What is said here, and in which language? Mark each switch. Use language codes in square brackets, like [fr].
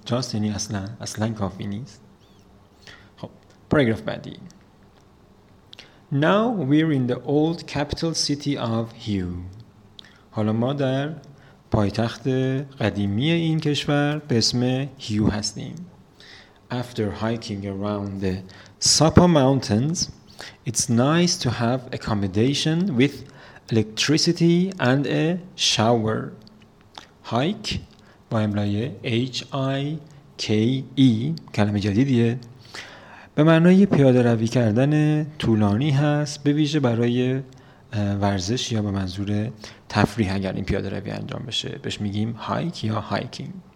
[fa] Just یعنی اصلا کافی نیست. خب پاراگراف بعدی: [en] Now we're in the old capital city of Hue. [fa] حالا ما در پایتخت قدیمی این کشور به اسم هیو هستیم. [en] After hiking around the Sapa Mountains, it's nice to have accommodation with electricity and a shower. [fa] Hike با املای H-I-K-E، کلمه جدیدیه، به معنای پیاده روی کردن طولانی هست، به ویژه برای ورزش یا به منظور تفریح اگر این پیاده روی انجام بشه بهش میگیم هایک یا هایکینگ.